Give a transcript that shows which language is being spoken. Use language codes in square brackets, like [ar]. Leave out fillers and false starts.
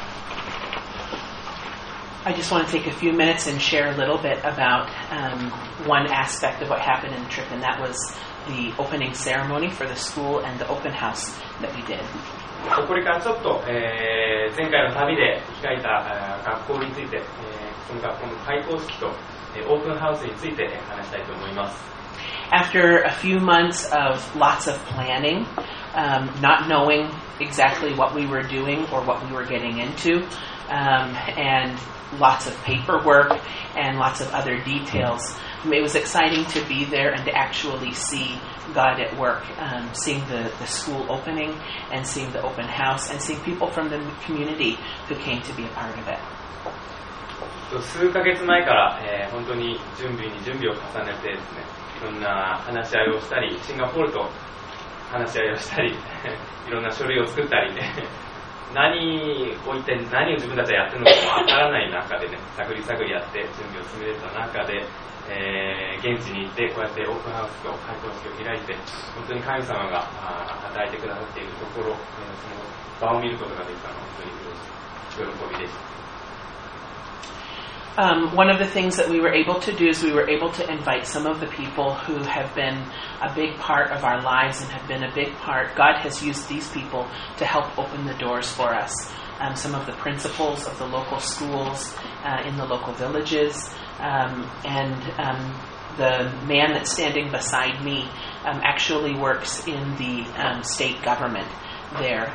[en] I just want to take a few minutes and share a little bit about one aspect of what happened in the trip, and that was the opening ceremony for the school and the open house that we did. [ja] これからちょっと、前回の旅で開いた、学校について、その学校の開校式と、オープンハウスについて話したいと思います。 [en] After a few months of lots of planning, not knowing exactly what we were doing or what we were getting into, and lots of paperwork and lots of other details, it was exciting to be there and to actually see God at work, seeing the school opening and seeing the open house and seeing people from the community who came to be a part of it. [ja] 数ヶ月前から、本当に準備に準備を重ねてですね、いろんな話し合いをしたり、シンガポールと話し合いをしたり、いろんな書類を作ったり、ね、何を一体何を自分たちはやってるのかわからない中でね、探り探りやって準備を進めてた中で、現地に行ってこうやってオープンハウスと開講式を開いて、本当に神様が与えてくださっているところ、その場を見ることができたのは本当に喜びでした。 [en] One of the things that we were able to do is we were able to invite some of the people who have been a big part of our lives and have been a big part. God has used these people to help open the doors for us. Some of the principals of the local schools, in the local villages, and the man that's standing beside me actually works in the state government there.